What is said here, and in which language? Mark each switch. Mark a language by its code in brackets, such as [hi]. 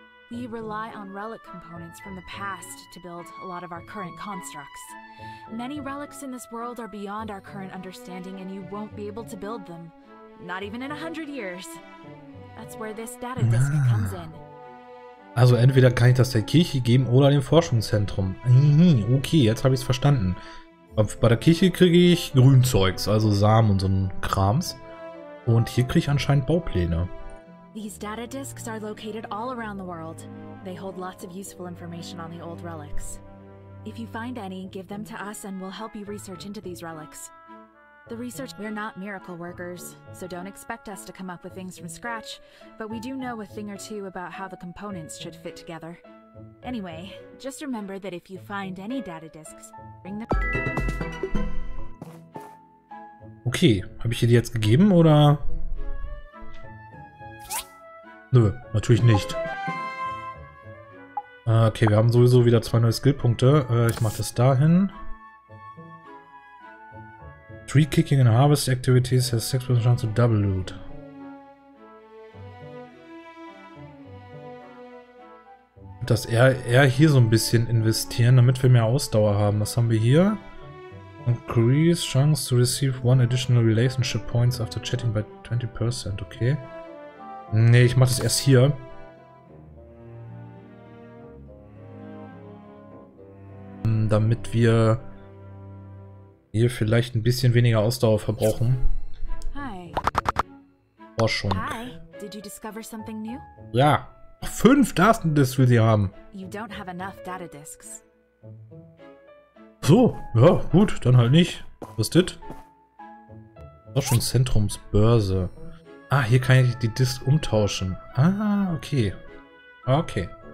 [en] We rely on relic components from the past to build a lot of our current constructs. Many relics in this world are beyond our current understanding, and you won't be able to build them. Not even in 100 years. That's where this data disk comes in. [de] Also entweder kann ich das der Kirche geben oder dem Forschungszentrum. Okay, jetzt habe ich es verstanden. Bei der Kirche kriege ich Grünzeugs, also Samen und so ein Krams. Und hier kriege ich anscheinend Baupläne. [en] These data disks are located all around the world. They hold lots of useful information on the old relics. If you find any, give them to us and we'll help you research into these relics. The research, we're not miracle workers, so don't expect us to come up with things from scratch, but we do know a thing or two about how the components should fit together. Anyway, just remember that if you find any data disks, bring the... [de] Okay, habe ich dir die jetzt gegeben, oder? Nö, natürlich nicht. Okay, wir haben sowieso wieder zwei neue Skillpunkte. Ich mache das dahin. [en] Tree Kicking and Harvest Activities has 6% chance to double loot. [de] Dass er hier so ein bisschen investieren, damit wir mehr Ausdauer haben. Was haben wir hier? [en] Increase chance to receive one additional relationship points after chatting by 20%. [de] Okay. Nee, ich mach das erst hier. Damit wir hier vielleicht ein bisschen weniger Ausdauer verbrauchen. [en] Hi. [de] Forschung. [en] Hi. Did you discover something new? [de] Ja. Fünf Datendisks will sie haben. [en] You don't have enough data disks. [de] So, ja, gut, dann halt nicht. Was ist das? Forschungszentrumsbörse. Ah, hier kann ich die Disks umtauschen. Ah, okay. Okay.